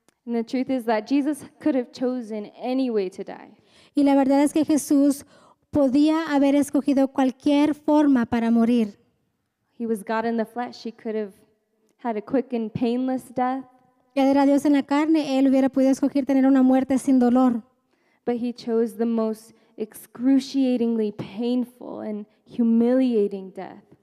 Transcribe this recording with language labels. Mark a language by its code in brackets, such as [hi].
[en] And the truth is that Jesus could have chosen any way to die. [es] Y la verdad es que Jesús podía haber escogido cualquier forma para morir. [en] He was God in the flesh. He could have had a quick and painless death. [es] Él era Dios en la carne. Él hubiera podido escoger tener una muerte sin dolor. [en] But he chose the most excruciatingly painful and humiliating death.